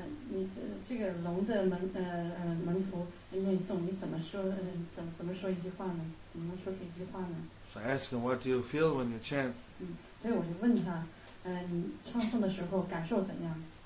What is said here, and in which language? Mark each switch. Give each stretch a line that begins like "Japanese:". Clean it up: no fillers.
Chinese: 你这个聋的门徒念诵，你怎么说一句话呢？你能说出一句话呢？
English: So I asked him, what do you feel when you chant?
Chinese: 所以我就问他，你唱诵的时候感受怎样？